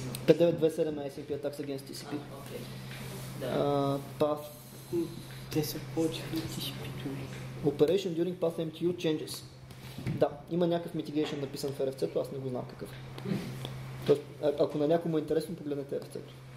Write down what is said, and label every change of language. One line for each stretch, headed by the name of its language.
English: 5927 ICMP Attacks against TCP.
Bulgarian: Окей.
English: Path...
Bulgarian: Те се получиха на TCP-то.
English: Operation during Path MTU changes.
Bulgarian: Да, има някакъв mitigation написан в RFC-то, аз не го знам какъв. Тоест, ако на някому е интересно, погледнете RFC-то.